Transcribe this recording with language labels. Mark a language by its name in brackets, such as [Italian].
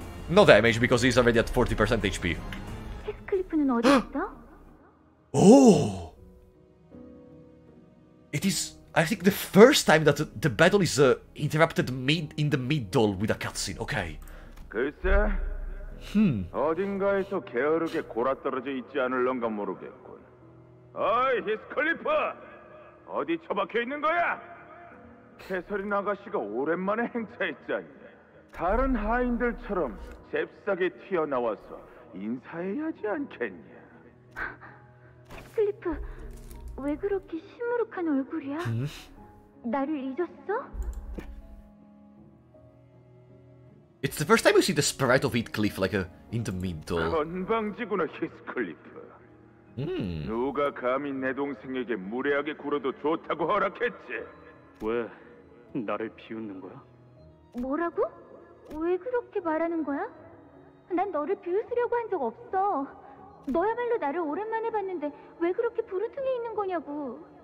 [English] No damage because he's already at 40% HP. Oh! It is, I think, the first time that the battle is interrupted in the middle with a cutscene. Okay. [Korean] 글쎄, 어딘가에서 게으르게 골아떨어져 있지 않을런가 모르겠군. 어이, 히스클리프! 어디 처박혀 있는 거야? 캐서린 아가씨가 오랜만에 행차했잖니. 다른 하인들처럼 잽싸게 튀어나와서 인사해야 하지 않겠냐? 히스클리프, 왜 그렇게 시무룩한 얼굴이야? 나를 잊었어? [English] It's the first time you see the sprite of Heathcliff, like, in the middle. [Korean] 건방지구나, 히스클리프. 누가 감히 내 동생에게 무례하게 굴어도 좋다고 허락했지? 왜 나를 비웃는 거야? 뭐라고? 왜 그렇게 말하는 거야? 난 너를 비웃으려고 한 적 없어. 너야말로 나를 오랜만에 봤는데 왜 그렇게 부르퉁이 있는 거냐고.